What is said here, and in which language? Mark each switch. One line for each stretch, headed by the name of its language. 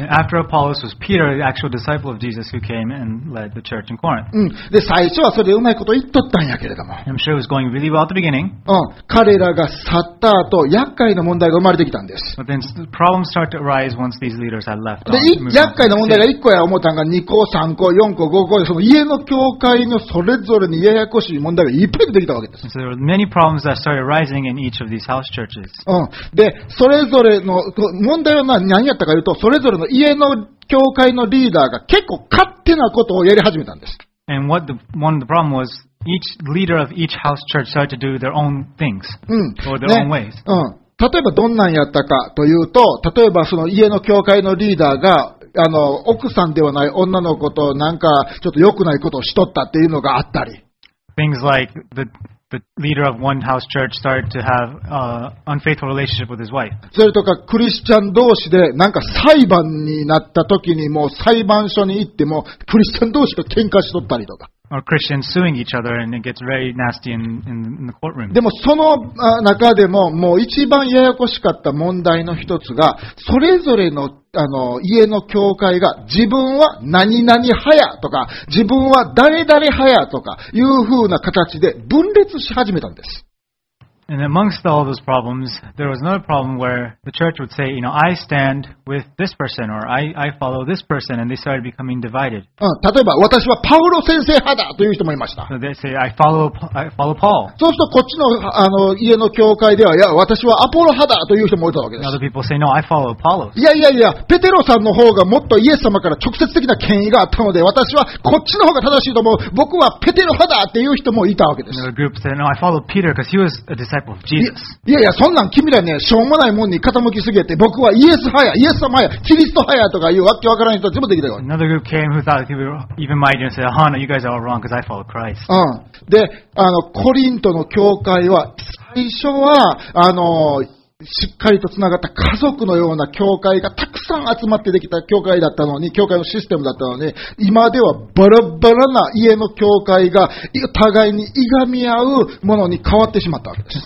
English: After Apollos was Peter, the actual disciple of Jesus who came and led the church in Corinth. うん。
Japanese: で、最初はそれでうまいこと言っとったんやけれども。
English: I'm sure it was going really well at the beginning. うん。
Japanese: 彼らが去った後、厄介な問題が生まれてきたんです。
English: But then the problems started to arise once these leaders had left.
Japanese: で、厄介な問題が1個や思ったんが2個、3個、4個、5個で、その家の教会のそれぞれにややこしい問題がいっぱい出てきたわけです。
English: So there were many problems that started arising in each of these house churches. うん。
Japanese: で、それぞれの問題は何やったかというと、それぞれの家の教会のリーダーが結構勝手なことをやり始めたんです。
English: And what the, one of the problem was, each leader of each house church started to do their own things, or their own ways. うん。
Japanese: 例えばどんなんやったかというと、例えばその家の教会のリーダーが、奥さんではない女の子となんかちょっと良くないことをしとったっていうのがあったり。
English: Things like the leader of one house church started to have an unfaithful relationship with his wife.
Japanese: それとかクリスチャン同士でなんか裁判になった時にもう裁判所に行ってもクリスチャン同士が喧嘩しとったりとか。
English: Or Christians suing each other and it gets very nasty in the courtroom.
Japanese: でもその中でももう一番ややこしかった問題の一つが、それぞれの家の教会が自分は何々派やとか、自分は誰々派やとかいう風な形で分裂し始めたんです。
English: And amongst all those problems, there was another problem where the church would say, you know, I stand with this person or I follow this person, and they started becoming divided.
Japanese: うん、例えば私はパウロ先生派だという人もいました。
English: So they say, I follow Paul.
Japanese: そうするとこっちの家の教会では、いや、私はアポロ派だという人もいたわけです。
English: Other people say, no, I follow Apollos.
Japanese: いやいやいや、ペテロさんの方がもっとイエス様から直接的な権威があったので、私はこっちの方が正しいと思う。僕はペテロ派だっていう人もいたわけです。
English: Another group said, no, I follow Peter because he was a disciple.
Japanese: いやいや、そんなん君らね、しょうもないもんに傾きすぎて、僕はイエス派や、イエス様や、キリスト派やとかいうわけわからない人たちもできたよ。
English: Another group came who thought they were even mightier and said, Hana, you guys are all wrong because I follow Christ. うん。
Japanese: で、コリントの教会は、最初は、しっかりとつながった家族のような教会がたくさん集まってできた教会だったのに、教会のシステムだったのに、今ではバラバラな家の教会が互いにいがみ合うものに変わってしまったわけです。